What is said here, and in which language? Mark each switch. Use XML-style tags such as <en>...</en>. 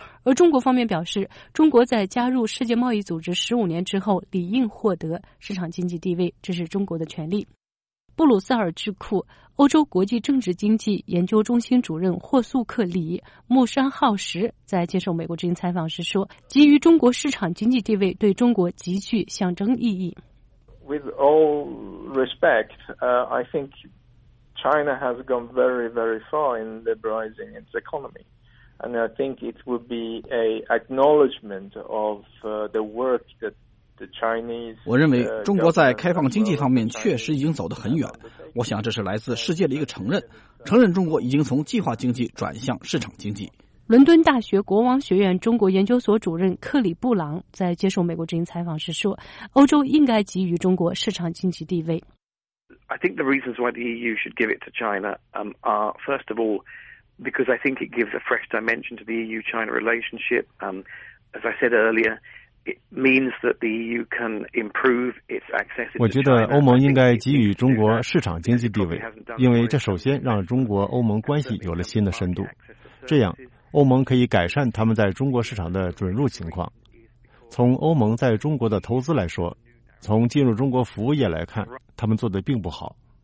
<zh>而中国方面表示，中国在加入世界贸易组织15年之后，理应获得市场经济地位，这是中国的权利。布鲁塞尔智库欧洲国际政治经济研究中心主任霍素克里穆山浩什在接受美国之音采访时说，基于中国市场经济地位对中国极具象征意义。</zh> <en>With all respect, I think China has gone very, very far in liberalizing its economy. And I think it would be an acknowledgement of the work that</en> <zh>我认为中国在开放经济方面确实已经走得很远，我想这是来自世界的一个承认，承认中国已经从计划经济转向市场经济。伦敦大学国王学院中国研究所主任克里布朗在接受美国之音采访时说，欧洲应该给予中国市场经济地位。</zh> <en>I think the reasons why the EU should give it to China are first of all because I think it gives a fresh dimension to the EU-China relationship. As I said earlier,</en> <zh>我觉得欧盟应该给予中国市场经济地位，因为这首先让中国欧盟关系有了新的深度，这样欧盟可以改善他们在中国市场的准入情况。从欧盟在中国的投资来说，从进入中国服务业来看，他们做得并不好。</zh>